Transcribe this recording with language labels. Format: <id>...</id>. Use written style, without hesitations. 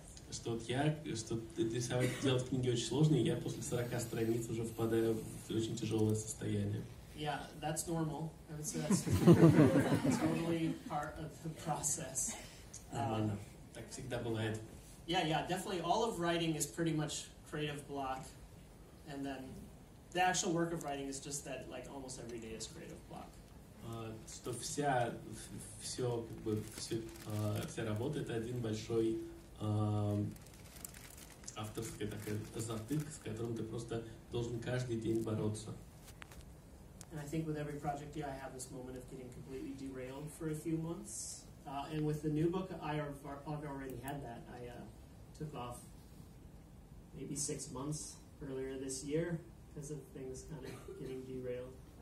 <ru>Что вот я, что рисовать, делать книги очень сложно, и я после 40 страниц уже впадаю в очень тяжелое состояние.</ru> <en>Yeah, that's normal. I would say that's totally part of the process.</en> <ru>Так всегда бывает.</ru> <en>Yeah, definitely. All of writing is pretty much creative block. And then the actual work of writing is just that, like, almost every day is creative block.</en> <ru>Что вся, все, как бы, все, вся работа — это один большой авторский такой затык, с которым ты просто должен каждый день бороться.</ru> <en>And I think with every project, yeah, I have this moment of getting completely derailed for a few months. And with the new book, I've already had that. I took off maybe 6 months earlier this year because of things kind of getting derailed.</en>